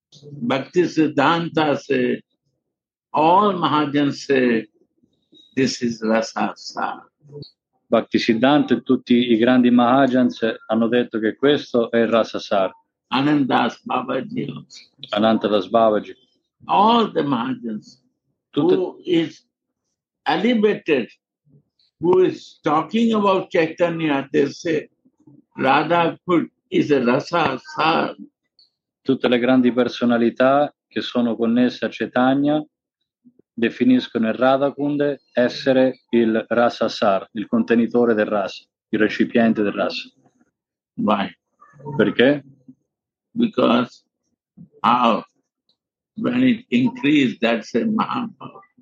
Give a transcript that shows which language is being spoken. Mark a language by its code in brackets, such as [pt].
[en] Bhakti Siddhanta say, all Mahajan say, this is Rasa Sar. [it] Bhakti Siddhanta e tutti i grandi Mahajans hanno detto che questo è il Rasa Sar. [en] Anandas Babaji. [it] Anandas Babaji. [en] All the Mahajans. Who is elevated who is talking about Chaitanya, they say Radha Kut is a rasa sar. [it] Tutte le grandi personalità che sono connesse a Chaitanya definiscono il Radhakund essere il rasa sar, il contenitore del rasa, il recipiente del rasa. [en] Why? [it] Perché? [en] Because how? When it increases, that's a mahabhava.